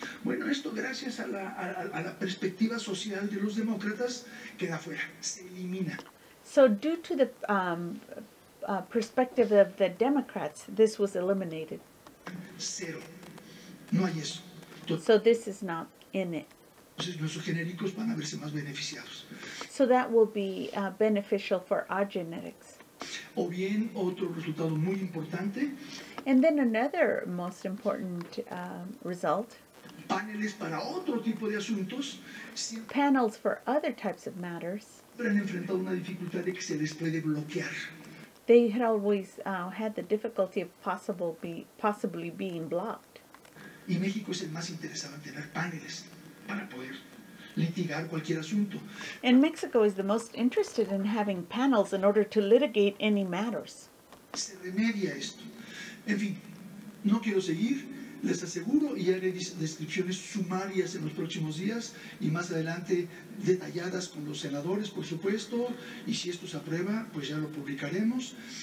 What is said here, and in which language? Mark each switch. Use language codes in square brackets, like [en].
[es] Bueno, esto gracias a la perspectiva social de los demócratas queda fuera, se elimina. [en] So due to the perspective of the Democrats, this was eliminated. [es] Cero. No hay eso. [en] So this is not in it. [es] entonces nuestros genéricos van a verse más beneficiados. [en] So that will be beneficial for our genetics. [es] O bien otro resultado muy importante. [en] And then another most important result. [es] Paneles para otro tipo de asuntos. [en] Panels for other types of matters. [es] Han enfrentado una dificultad de que se les puede bloquear. [en] They had always had the difficulty of possibly being blocked. [es] Y México es el más interesado en tener paneles para poder litigar cualquier asunto. [en] And Mexico is the most interested in having panels in order to litigate any matters. [es] Se remedia esto. En fin, no quiero seguir. Les aseguro y haré descripciones sumarias en los próximos días y más adelante detalladas con los senadores, por supuesto. Y si esto se aprueba, pues ya lo publicaremos.